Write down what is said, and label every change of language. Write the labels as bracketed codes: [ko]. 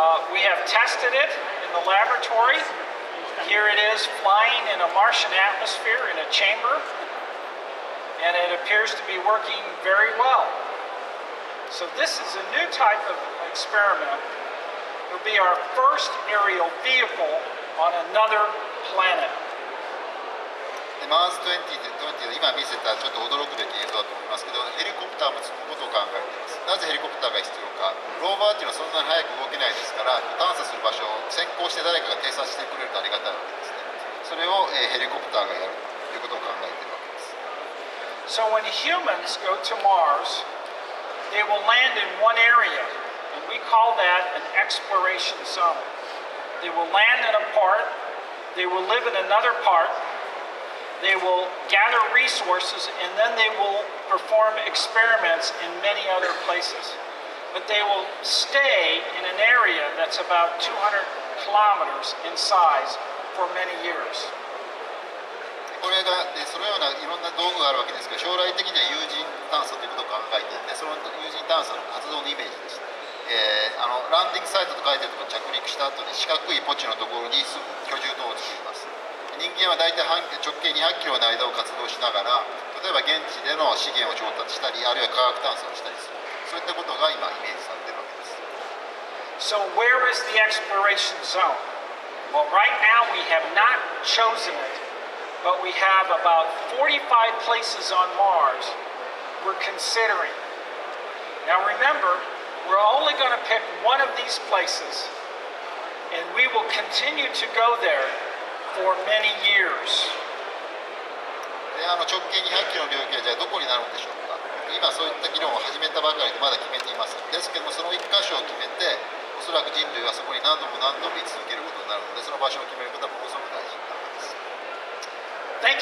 [en] We have tested it in the laboratory. Here it is flying in a Martian atmosphere in a chamber, and it appears to be working very well. So this is a new type of experiment. It will be our first aerial vehicle on another planet. [ja] Mars 2020 で今見せたちょっと驚くべき映像だと思いますけど、ヘリコプターも作ることを考えています。なぜヘリコプターが必要か。ローバーっていうのはそんなに早く動けないですから、探査する場所を先行して誰かが偵察してくれるとありがたいわけですね。それを、ヘリコプターがやるということを考えているわけです。 [en] So when humans go to Mars, they will land in one area, and we call that an exploration zone. They will land in a part, they will live in another part. They will gather resources and then they will perform experiments in many other places. But they will stay in an area that's about 200 kilometers in size for many years. [ja] これが、そのようないろんな道具があるわけですが、将来的には有人探査ということを考えていて、その有人探査の活動のイメージです。ランディングサイトと書いてあるところに着陸した後に四角いポチのところに住む居住棟を作ります。人間は大体半径直径200キロの間を活動しながら、例えば現地での資源を調達したり、あるいは化学探査をしたりする。そういったことが今イメージされているわけです。 [en] So where is the exploration zone? Well, right now we have not chosen it, but we have about 45 places on Mars we're considering. Now remember, we're only going to pick one of these places, and we will continue to go there. For many years. [ja] で、あの直径200キロの領域はじゃあどこになるんでしょうか。今そういった議論を始めたばかりでまだ決めていません。ですけどもその一箇所を決めて、おそらく人類はそこに何度も何度も居続けることになるので、その場所を決めることはものすごく大事になります。